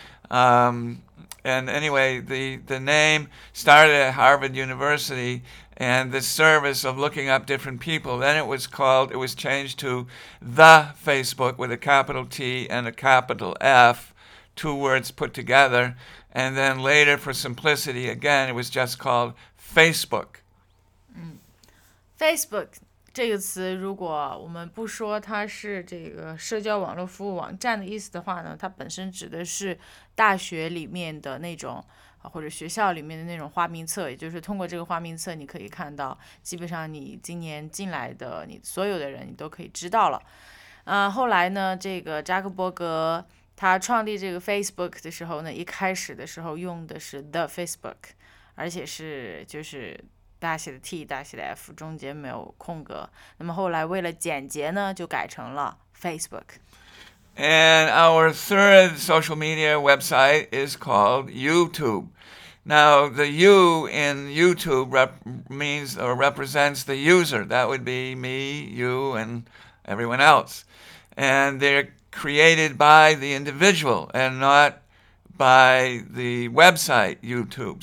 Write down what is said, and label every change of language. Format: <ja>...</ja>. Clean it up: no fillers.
<en>And anyway, the name started at Harvard University and the service of looking up different people. Then it was called, it was changed to The Facebook with a capital T and a capital F, two words put together. And then later, for simplicity, again, it was just called Facebook.</en> <zh>Facebook 这个词，如果我们不说它是这个社交网络服务网站的意思的话呢，它本身指的是大学里面的那种，或者学校里面的那种花名册，也就是通过这个花名册，你可以看到基本上你今年进来的你所有的人，你都可以知道了。后来呢，这个扎克伯格他创立这个 Facebook 的时候呢，一开始的时候用的是 The Facebook， 而且是就是大写的 T 大写的 F， 中间没有空格。那么后来为了简洁呢，就改成了 Facebook。</zh> <en>And our third social media website is called YouTube. Now, the U in YouTube means or represents the user. That would be me, you, and everyone else. And they're created by the individual and not by the website YouTube.</en>